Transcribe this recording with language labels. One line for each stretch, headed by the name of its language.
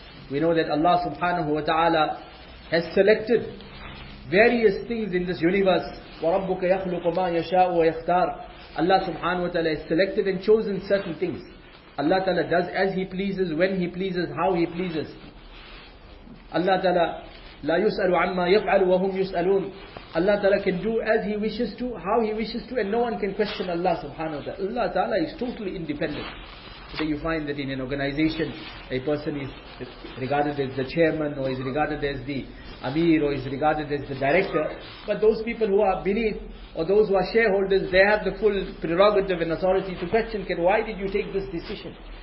English: We know that Allah subhanahu wa ta'ala has selected various things in this universe.
Arabic: وَرَبُّكَ يَخْلُقُ مَا يَشَاءُ وَيَخْتَارُ.
English: Allah subhanahu wa ta'ala has selected and chosen certain things. Allah ta'ala does as He pleases, when He pleases, how He pleases.
Arabic: Allah ta'ala لَا يُسْأَلُ عَمَّا يَفْعَلُ وَهُمْ يُسْأَلُونَ.
English: Allah ta'ala can do as He wishes to, how He wishes to, and no one can question Allah subhanahu wa ta'ala. Allah ta'ala is totally independent. Today you find that in an organization, a person is regarded as the chairman, or is regarded as the amir, or is regarded as the director. But those people who are beneath, or those who are shareholders, they have the full prerogative and authority to question, why did you take this decision?